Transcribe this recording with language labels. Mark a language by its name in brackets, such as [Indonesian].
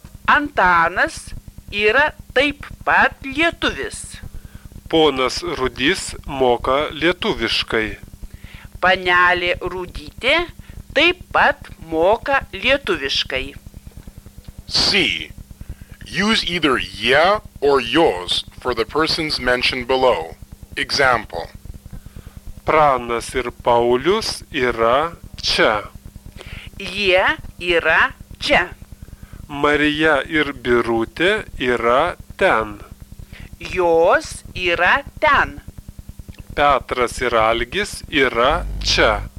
[Lithuanian] Antanas yra taip pat lietuvis. Ponas Rudys moka lietuviškai. Panelė Rudytė taip pat moka lietuviškai. C. [English] Use either jie or jos for the persons mentioned below. Example. [Lithuanian] Pranas ir Paulius yra čia. Jie yra čia. Marija ir Birutė yra ten. Jos yra ten. Petras ir Algis yra čia.